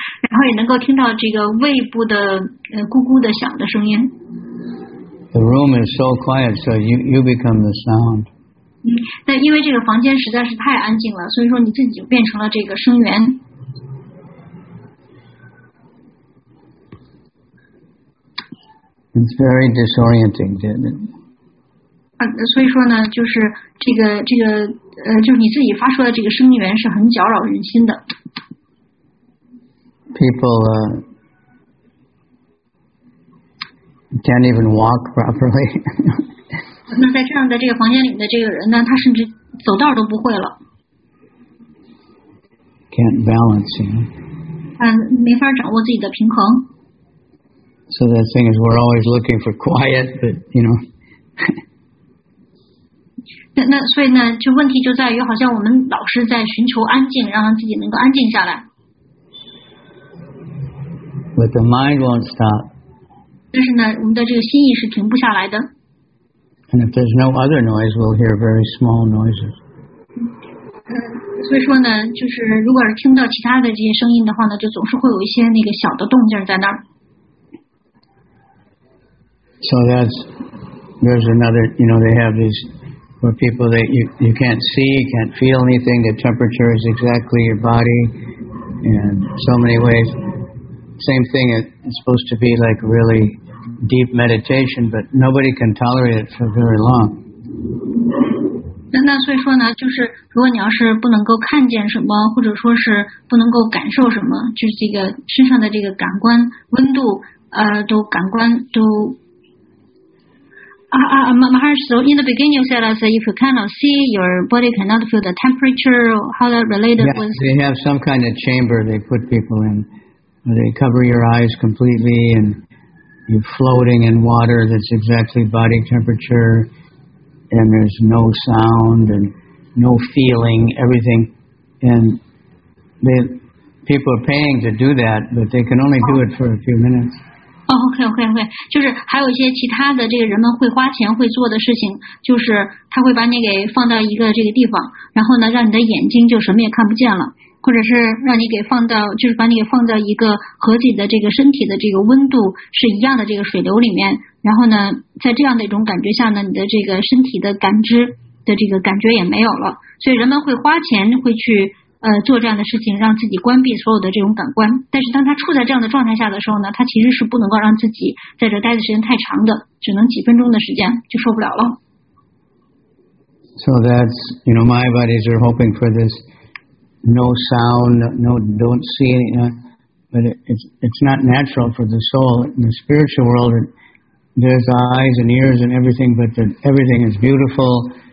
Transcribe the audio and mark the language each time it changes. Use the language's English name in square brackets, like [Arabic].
[Chinese] 然后也能够听到这个胃部的咕咕的响的声音。 [English] The room is so quiet, so you become the sound. [Chinese] 但因为这个房间实在是太安静了，所以说你自己就变成了这个声源。 [English] It's very disorienting, isn't it? [Chinese] 所以说呢，就是这个就是你自己发出的这个声源是很搅扰人心的。 [English] People can't even walk properly. [Chinese] 那在这样的这个房间里的这个人呢，他甚至走道都不会了。 [English] Can't balance. [Chinese] 没法掌握自己的平衡。 [English] So the thing is, we're always looking for quiet, but you know. [Chinese] 那所以呢，就问题就在于，好像我们老是在寻求安静，让自己能够安静下来。 [English] But the mind won't stop. [Chinese] 但是呢，我们的这个心意是停不下来的。 [English] And if there's no other noise, we'll hear very small noises. [Chinese] 所以说呢，就是如果是听到其他的这些声音的话呢，就总是会有一些那个小的动静在那儿。 [English] So there's another, you know, they have these for people that you can't see, can't feel anything, the temperature is exactly your body, and so many ways. Same thing, it's supposed to be like really deep meditation, but nobody can tolerate it for very long. [Chinese] 那所以说呢，就是如果你要是不能够看见什么，或者说是不能够感受什么，就是这个身上的这个感官温度，都感官都。 [English] Maharshi, so in the beginning you said, if you cannot see, your body cannot feel the temperature, how that related yeah, with... They have some kind of chamber they put people in. They cover your eyes completely, and you're floating in water that's exactly body temperature, and there's no sound and no feeling, everything. And people are paying to do that, but they can only do it for a few minutes. [Chinese] OK, 就是还有一些其他的这个人们会花钱会做的事情，就是他会把你给放到一个这个地方，然后呢让你的眼睛就什么也看不见了，或者是让你给放到，就是把你给放到一个和自己的这个身体的这个温度是一样的这个水流里面，然后呢在这样的一种感觉下呢，你的这个身体的感知的这个感觉也没有了，所以人们会花钱会去做这样的事情，让自己关闭所有的这种感官。但是当他处在这样的状态下的时候呢，他其实是不能够让自己在这待的时间太长的，只能几分钟的时间就受不了了。 [English] So that's, you know, my bodies are hoping for this no sound, no, don't see any, but it's not natural for the soul. In the spiritual world, there's eyes and ears and everything, but everything is beautiful.